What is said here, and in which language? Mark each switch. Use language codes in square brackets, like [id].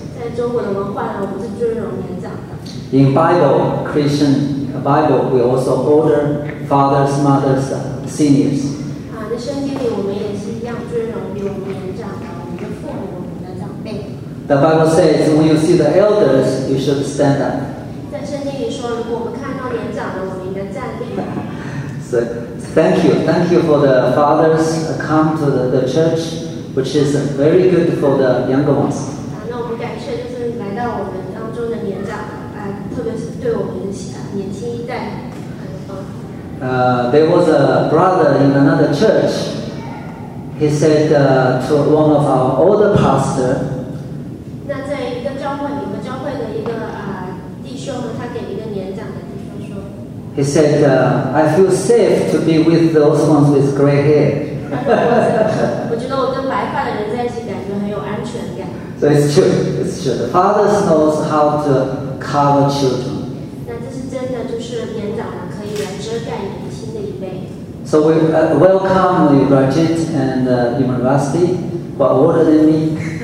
[zh] 在中国的文化上，我们是尊荣年长的。 [en] In Bible, Christian Bible, we also honor fathers, mothers, seniors. [zh] 在圣经里，我们也是一样尊荣比我们年长的，我们的父母，我们的长辈。 [en] The Bible says, when you see the elders, you should stand up. [zh] 在圣经里说，如果我们看到年长的，我们应该站立。 [en] So, thank you for the fathers come to the church, which is very good for the younger ones. [zh] 那我们感谢就是来到我们当中的年长，特别是对我们年轻一代 [en] There was a brother in another church. He said to one of our older pastor. [zh] 那在一个教会，一个教会的一个弟兄呢，他给一个年长的弟兄说。 [en] He said, "I feel safe to be with those ones with gray hair." [zh] 我觉得我跟白发的人在一起，感觉很有安全感。 [en] So it's true. It's true. The fathers knows how to cover children. [zh] 那这是真的，就是年长的可以来遮盖年轻的一辈。 [en] So we welcome Rajit and Imarvasti, who are older than me.